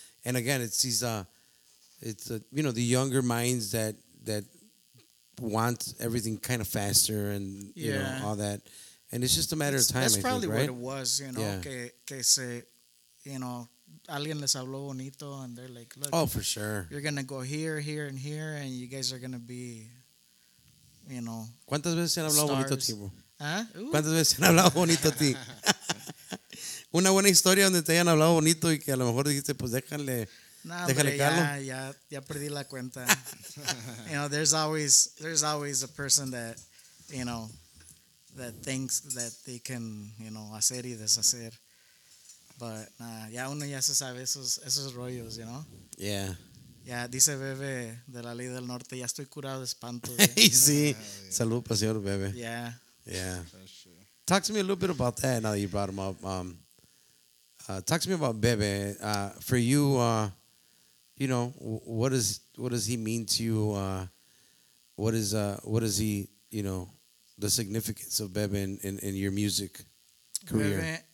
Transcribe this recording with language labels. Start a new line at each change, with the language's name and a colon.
English: And again, it's these, you know, the younger minds that want everything kind of faster and, yeah, you know, all that. And it's just a matter of time, that's probably, I think, right? What it was, you know, yeah.
Spanish: que se,
English: you know,
Spanish: alguien les habló bonito
English: and they're like, look. Oh, for sure. You're going to go here, here, and here, and you guys are going to be, you know,
Spanish: ¿cuántas veces han hablado bonito a ti, bro? ¿Ah? ¿Cuántas veces han hablado bonito a ti? Una buena historia donde te hayan hablado bonito y que a lo mejor dijiste, pues déjale. Nah, déjale, hombre, Carlos. Ya perdí la cuenta.
English: You know, there's always a person that, you know, that thinks that they can, you know,
Spanish: hacer y deshacer.
English: But, nah,
Spanish: ya uno ya se sabe esos rollos,
English: you know? Yeah.
Spanish: Ya, dice Bebe de la Ley del Norte, ya estoy curado de espanto. Sí.
English: Yeah, yeah.
Spanish: Salud, señor Bebe.
English: Yeah. Yeah. Talk to me a little bit about that now that you brought him up. Talk to me about Bebe. For you, you know, what does he mean to you? What is he, you know, the significance of Bebe in your music career?